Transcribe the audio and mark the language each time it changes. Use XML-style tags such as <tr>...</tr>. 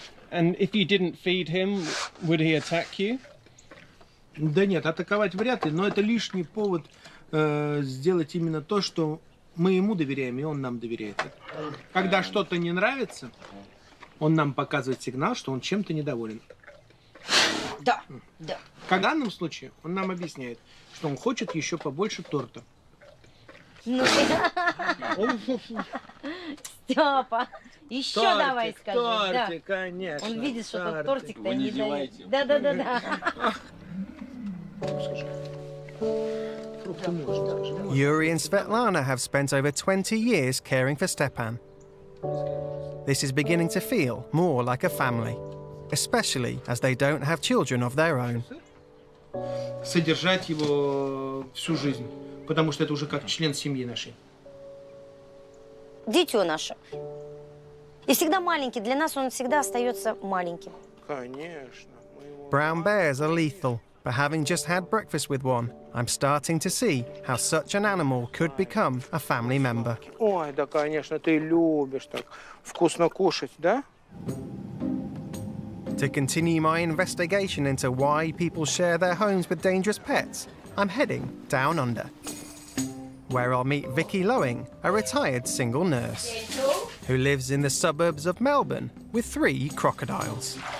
<en>And if you didn't feed him, would he attack you?</en> <ru>Да нет, атаковать вряд ли, но это лишний повод сделать именно то, что мы ему доверяем, и он нам доверяет. Когда что-то не нравится, он нам показывает сигнал, что он чем-то недоволен. Да, да. В данном случае он нам объясняет, что он хочет еще побольше торта. Ну, Степа, еще тортик, давай скажи. Тортик, да. Конечно. Он видит, что тортик. Тут тортик-то не дает. Да.</ru> <en>Yuri and Svetlana have spent over 20 years caring for Stepan. This is beginning to feel more like a family, especially as they don't have children of their own.</en> <ru>Содержать его всю жизнь, потому что это уже как член семьи нашей. Дитё наше. И всегда маленький. Для нас он всегда остаётся маленьким. Конечно.</ru> <en>Brown bears are lethal, but having just had breakfast with one, I'm starting to see how such an animal could become a family member.</en> <ru>Ой, да, конечно, ты любишь так вкусно кушать, да?</ru> <en>To continue my investigation into why people share their homes with dangerous pets, I'm heading down under, where I'll meet Vicky Lowing, a retired single nurse, who lives in the suburbs of Melbourne with three crocodiles.</en>